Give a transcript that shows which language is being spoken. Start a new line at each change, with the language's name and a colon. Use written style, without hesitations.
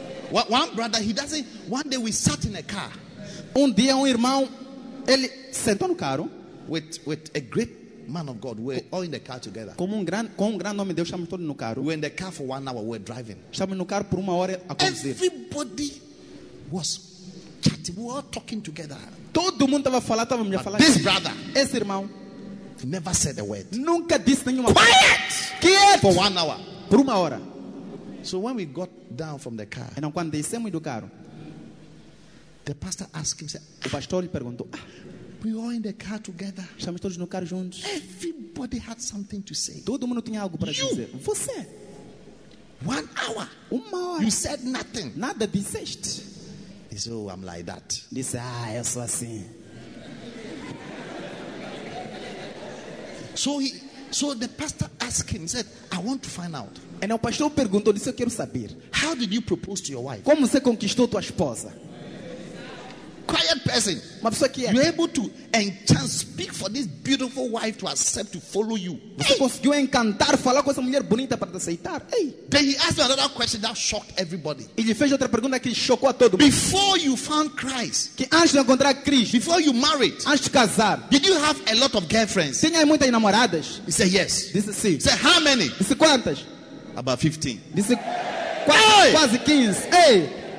English: Well, one brother, he doesn't. One day we sat in a car.
Portuguese: Dia irmão, ele sentou no carro.
English: With a great man of God, we're all in the car together.
Portuguese: Com um grande homem de Deus, estamos todos no carro.
English: We're in the car for 1 hour, we're driving.
Portuguese: Estamos no carro por uma hora a conduzir.
English: Everybody was chatting, we were all talking together.
Portuguese: Todo mundo estava falando, estava me a falar.
English: This brother,
Portuguese: esse irmão,
English: never said a word.
Portuguese: Nunca disse nenhuma
English: quiet! Quiet! For 1 hour.
Portuguese: Por uma hora.
English: So when we got down from the car,
Portuguese: então, quando descemos do carro,
English: the pastor asked him, said,
Portuguese: o pastor lhe perguntou,
English: we were in the car together.
Portuguese: Estamos todos no carro juntos.
English: Everybody had something to say.
Portuguese: Todo mundo tinha algo para dizer. Você.
English: 1 hour.
Portuguese: Uma hora.
English: You said nothing.
Portuguese: Nada disseste.
English: He said, oh, I'm like that.
Portuguese: Ele disse, eu sou assim.
English: So the pastor asked him, said, I want to find out.
Portuguese: Então o pastor perguntou, disse, eu quero saber.
English: How did you propose to your wife?
Portuguese: Como você conquistou tua esposa?
English: Quiet person.
Portuguese: Uma pessoa quieta.
English: You're able to enchant, speak for this beautiful wife to accept, to follow you.
Portuguese: Você conseguiu encantar, falar com essa mulher bonita para te aceitar. Hey.
English: Then he asked me another question that shocked everybody.
Portuguese: Ele fez outra pergunta que chocou a todo mundo.
English: Before you found Christ.
Portuguese: Que antes de encontrar Cristo.
English: Before you married.
Portuguese: Antes de casar.
English: Did you have a lot of girlfriends?
Portuguese: Tinha muitas namoradas?
English: He said yes.
Portuguese: Disse sim.
English: Say how many?
Portuguese: Disse quantas?
English: About 15.
Portuguese: Disse quase 15. Hey.